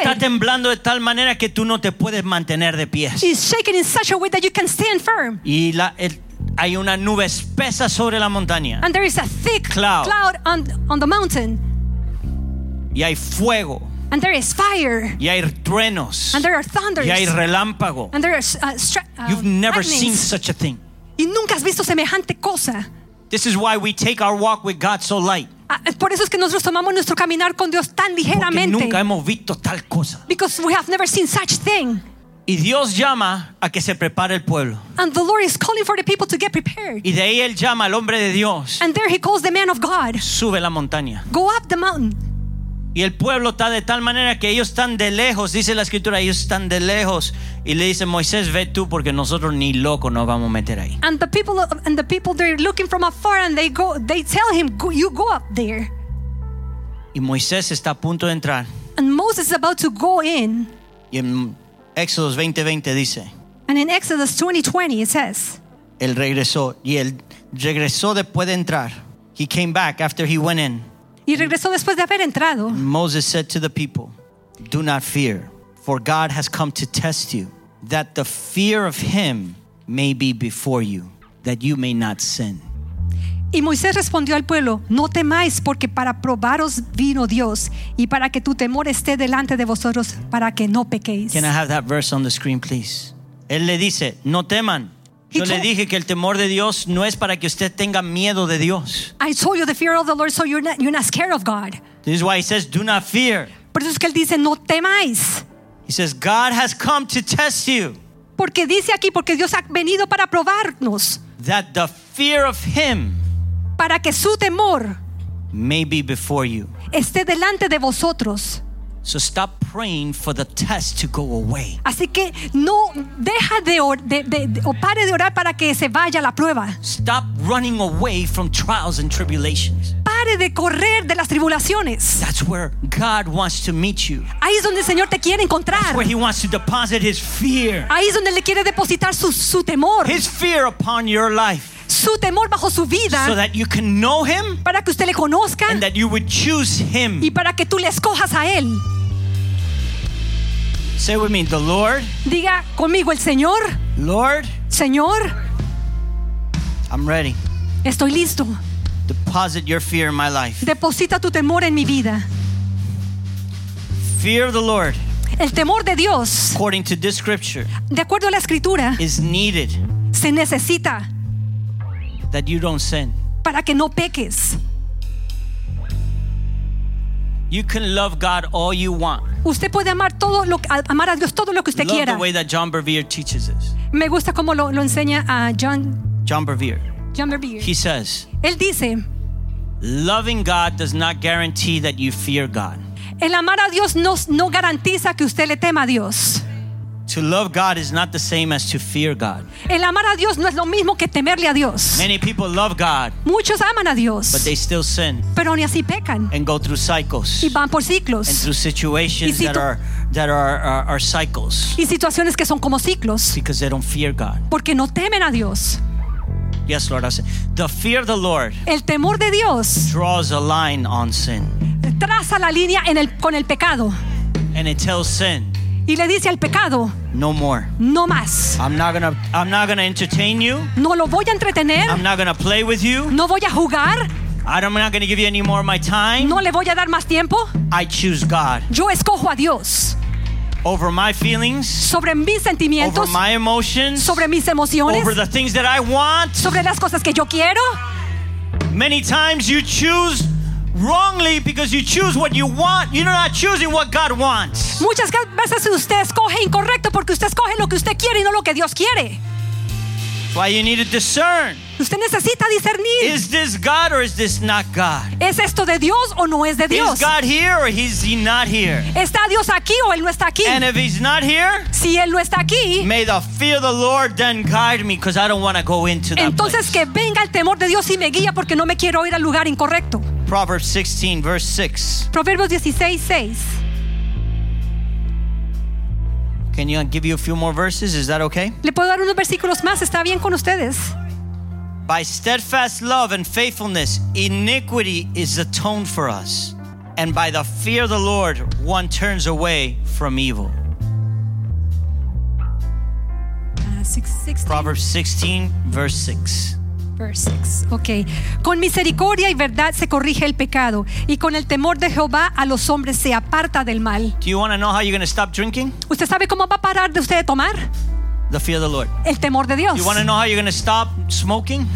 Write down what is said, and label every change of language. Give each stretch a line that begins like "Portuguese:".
Spanish: Está temblando de tal manera que tú no te puedes mantener de pies.
English: It's shaking in such a way that you can stand firm.
Spanish: Y la... hay una nube espesa sobre la montaña.
English: And there is a thick cloud on the mountain.
Spanish: Y hay fuego.
English: And there is fire.
Spanish: Y hay truenos.
English: And there are thunders.
Spanish: Y hay relámpago.
English: And there are You've never seen such a thing.
Spanish: Y nunca has visto semejante cosa.
English: This is why we take our walk with God so light.
Spanish: Por eso es que nosotros tomamos nuestro caminar con Dios tan ligeramente. Porque nunca hemos visto tal cosa.
English: Because we have never seen such thing.
Spanish: Y Dios llama a que se prepare el pueblo.
English: And the Lord is calling for the people to get prepared.
Spanish: Y de ahí él llama al hombre de Dios.
English: And there he calls the man of God.
Spanish: Sube la montaña.
English: Go up the mountain.
Spanish: Y el pueblo está de tal manera que ellos están de lejos, dice la escritura, ellos están de lejos y le dice Moisés, ve tú porque nosotros ni loco nos vamos a meter ahí.
English: And the people they're looking from afar and they tell him, you go up there.
Spanish: Y Moisés está a punto de entrar.
English: And Moses is about to go in.
Spanish: Y en Éxodos 20:20 dice.
English: And in Exodus 20:20 it says.
Spanish: Él regresó y él regresó después de entrar.
English: He came back after he went in.
Spanish: Y regresó después de haber entrado.
English: Moses said to the people, do not fear, for God has come to test you, that the fear of him may be before you, that you may not sin.
Spanish: Y Moisés respondió al pueblo, no temáis, porque para probaros vino Dios, y para que tu temor esté delante de vosotros, para que no pequéis.
English: Can I have that verse on the screen, please?
Spanish: Él le dice, no teman. Yo le dije que el temor de Dios no es para que usted tenga miedo de Dios.
English: I told you the fear of the Lord, so you're not scared of God. This is why he says, do not fear.
Spanish: Por eso es que él dice, no temáis.
English: He says, God has come to test you.
Spanish: Porque dice aquí, porque Dios ha venido para probarnos.
English: That the fear of him.
Spanish: Para que su temor.
English: May be before you.
Spanish: Esté delante de vosotros.
English: So stop praying for the test to go away.
Spanish: Así que no deja de pare de orar para que se vaya la prueba.
English: Stop running away from trials and tribulations.
Spanish: Pare de correr de las tribulaciones.
English: That's where God wants to meet you.
Spanish: Ahí es donde el Señor te quiere encontrar.
English: That's where he wants to deposit his fear.
Spanish: Ahí es donde le quiere depositar su temor.
English: His fear upon your life.
Spanish: Su temor bajo su vida,
English: so that you can know him,
Spanish: para que usted le conozca,
English: and that you would choose him,
Spanish: y para que tú le escojas a él.
English: Say with me, the Lord.
Spanish: Diga conmigo, el Señor.
English: Lord.
Spanish: Señor.
English: I'm ready.
Spanish: Estoy listo.
English: Deposit your fear in my life.
Spanish: Deposita tu temor en mi vida.
English: Fear the Lord.
Spanish: El temor de Dios.
English: According to this scripture.
Spanish: De acuerdo a la escritura.
English: Is needed.
Spanish: Se necesita.
English: That you don't sin.
Spanish: Para que no peques.
English: You can love God all you want.
Spanish: Usted puede amar a Dios todo lo que usted quiera.
English: Love the way that John Bevere teaches us.
Spanish: Me gusta cómo lo enseña a John.
English: John Bevere. He says.
Spanish: Él dice.
English: Loving God does not guarantee that you fear God.
Spanish: El amar a Dios no garantiza que usted le tema a Dios.
English: To love God is not the same as to fear God.
Spanish: El amar a Dios no es lo mismo que temerle a Dios.
English: Many people love God.
Spanish: Muchos aman a Dios.
English: But they still sin.
Spanish: Pero ni así pecan.
English: And go through cycles.
Spanish: Y van por ciclos.
English: And through situations that are cycles.
Spanish: Y situaciones que son como ciclos.
English: Because they don't fear God.
Spanish: Porque no temen a Dios.
English: Yes, Lord, I say. The fear of the Lord.
Spanish: El temor de Dios.
English: Draws a line on sin.
Spanish: Traza la línea con el pecado.
English: And it tells sin.
Spanish: Y le dice al pecado,
English: no more.
Spanish: No más.
English: I'm not gonna entertain you.
Spanish: No lo voy a entretener.
English: I'm not gonna play with you.
Spanish: No voy a jugar.
English: I'm not gonna give you any more of my time.
Spanish: No le voy a dar más tiempo.
English: I choose God.
Spanish: Yo escojo a Dios.
English: Over my feelings.
Spanish: Sobre mis sentimientos.
English: Over my emotions.
Spanish: Sobre mis emociones.
English: Over the things that I want.
Spanish: Sobre las cosas que yo quiero.
English: Many times you choose wrongly because you choose what you want. You're not choosing what God wants.
Spanish: Muchas veces usted escoge incorrecto porque usted escoge lo que usted quiere y no lo que Dios quiere.
English: That's why you need to discern.
Spanish: Usted necesita discernir.
English: Is this God or is this not God?
Spanish: ¿Es esto de Dios o no es de Dios?
English: Is God here or is he not here?
Spanish: ¿Está Dios aquí o él no está aquí?
English: And if he's not here,
Spanish: si él no está aquí,
English: may the fear of the Lord then guide me because I don't want to go into that.
Spanish: Entonces
English: place.
Spanish: Que venga el temor de Dios y me guía porque no me quiero ir al lugar incorrecto.
English: Proverbs 16, verse 6.
Spanish: Proverbios 16:6.
English: Can I give you a few more verses? Is that okay?
Spanish: Le puedo dar unos versículos más. Está bien con ustedes.
English: By steadfast love and faithfulness, iniquity is atoned for us. And by the fear of the Lord, one turns away from evil. Proverbs 16, verse 6. Verse 6. Okay.
Spanish: Con misericordia y verdad se corrige el pecado, y con el temor de Jehová a los hombres se aparta del mal.
English: Do you want to know how you're going to stop drinking?
Spanish: ¿Usted sabe cómo va a parar de usted de tomar?
English: The fear of the Lord.
Spanish: El temor de Dios.
English: You want to know how you're going to stop smoking?